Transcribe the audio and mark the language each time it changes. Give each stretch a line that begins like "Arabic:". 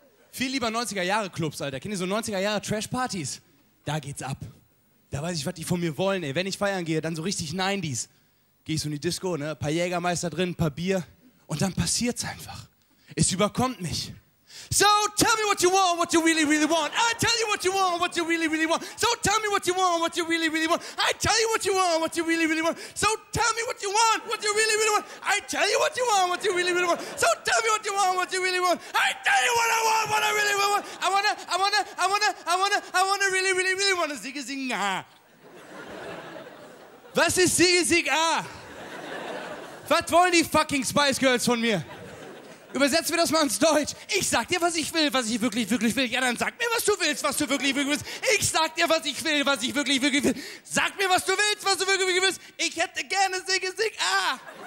German: Viel lieber 90er-Jahre-Clubs, Alter, kennt ihr so 90er-Jahre-Trash-Partys? Da geht's ab, da weiß ich, was die von mir wollen, ey, wenn ich feiern gehe, dann so richtig 90s. Geh ich so in die Disco, ne, paar Jägermeister drin, paar Bier und dann passiert's einfach, es überkommt mich.
English: So tell me what you want, what you really, really want. I tell you what you want, what you really, really want. So tell me what you want, what you really, really want. I tell you what you want, what you really, really want. So tell me what you want, what you really, really want. I tell you what you want, what you really, really want. So tell me what you want, what you really want. I tell you what I really, really want. I wanna really, really, really wanna Sieg, Sieg, ah.
German: Was ist Sieg, Sieg, ah? Was wollen die fucking Spice Girls von mir? Übersetzen wir das mal ins Deutsch. Ich sag dir, was ich will, was ich wirklich, wirklich will. Ja, dann sag mir, was du wirklich, wirklich willst. Ich sag dir, was ich will, was ich wirklich, wirklich will. Sag mir, was du wirklich, wirklich willst. Ich hätte gerne Sigge Sig A. Ah.